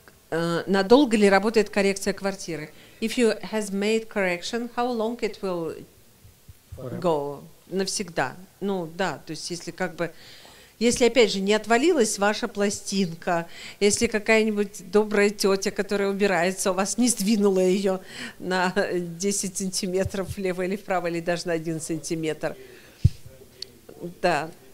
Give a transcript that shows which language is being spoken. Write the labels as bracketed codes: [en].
[ru] Надолго ли работает коррекция квартиры? [en] If you has made correction, how long it will go? [ru] Навсегда. Ну да, то есть если как бы... Если, опять же, не отвалилась ваша пластинка, если какая-нибудь добрая тетя, которая убирается, у вас не сдвинула ее на 10 сантиметров влево или вправо, или даже на 1 сантиметр. Да.